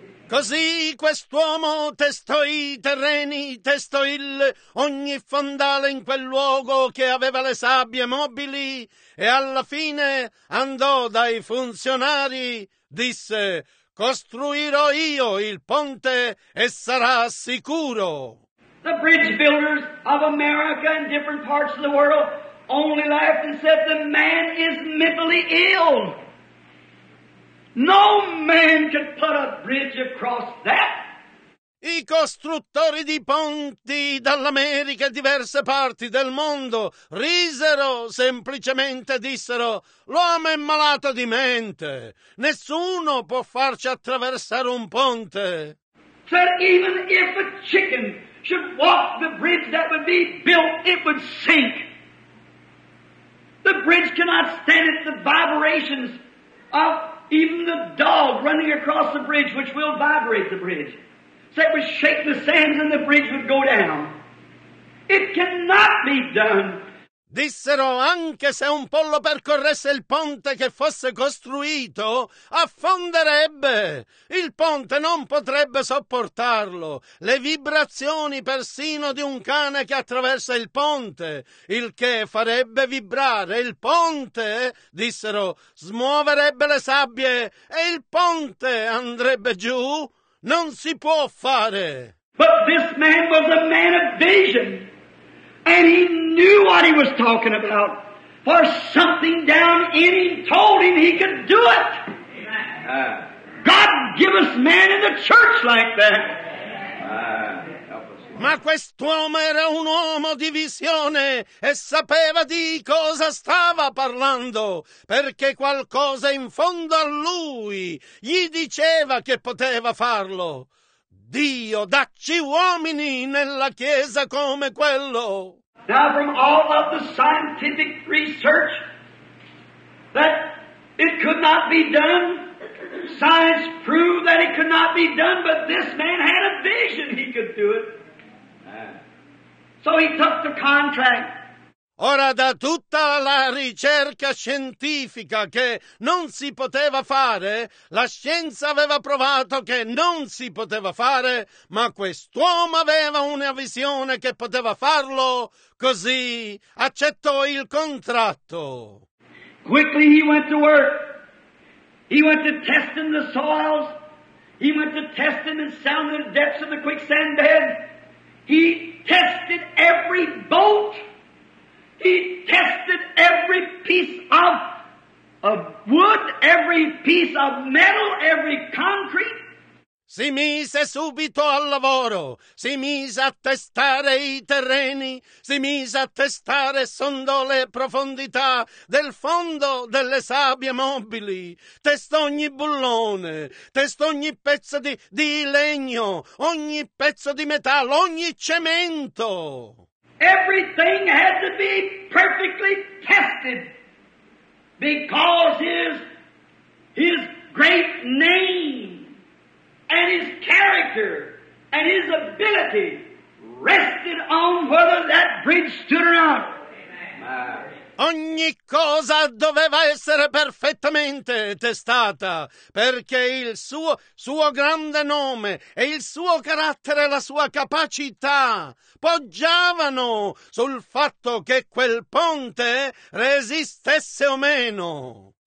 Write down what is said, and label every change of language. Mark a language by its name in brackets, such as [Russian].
[Italian] Così quest'uomo testò i terreni, testò il ogni fondale in quel luogo che aveva le sabbie mobili, e alla fine andò dai funzionari, disse, costruirò io il ponte e sarà sicuro. [English] The bridge builders of America and different parts of the world only laughed and said the man is mentally ill. No man could put a bridge across that. [Italian] I costruttori di ponti dall'America e diverse parti del mondo risero, semplicemente dissero, l'uomo è malato di mente, nessuno può farci attraversare un ponte. [English] Said, even if a chicken should walk the bridge that would be built, it would sink. The bridge cannot stand it, the vibrations of even the dog running across the bridge, which will vibrate the bridge. So it would shake the sands and the bridge would go down. It cannot be done. [Italian] Dissero, anche se un pollo percorresse il ponte che fosse costruito, affonderebbe. Il ponte non potrebbe sopportarlo. Le vibrazioni persino di un cane che attraversa il ponte, il che farebbe vibrare il ponte, dissero, smuoverebbe le sabbie e il ponte andrebbe giù. Non si può fare. [English] But this man was a man of vision, and he knew what he was talking about, for something down in him told him he could do it. God give us men in the church like that. [Italian] Ma quest'uomo era un uomo di visione e sapeva di cosa stava parlando, perché qualcosa in fondo a lui gli diceva che poteva farlo. Dio, dacci uomini nella Chiesa come quello. [English] Now from all of the scientific research that it could not be done, science proved that it could not be done, but this man had a vision he could do it. So he took the contract. [Italian] Ora, da tutta la ricerca scientifica che non si poteva fare, la scienza aveva provato che non si poteva fare, ma quest'uomo aveva una visione che poteva farlo, così accettò il contratto. [English] Quickly he went to work. He went to testing the soils. He went to testing and sounding the depths of the quicksand bed. He tested every bolt. He tested every piece of wood, every piece of metal, every concrete. [Italian] Si mise subito al lavoro, si mise a testare i terreni, si mise a testare e sondò le profondità del fondo delle sabbie mobili, testò ogni bullone, testò ogni pezzo di legno, ogni pezzo di metallo, ogni cemento. [English] Everything had to be perfectly tested. because his great name and his character and his ability rested on whether that bridge stood or not. [Italian] Ogni cosa doveva essere perfettamente testata, perché il suo grande nome e il suo carattere e la sua capacità poggiavano sul fatto che quel ponte resistesse o meno.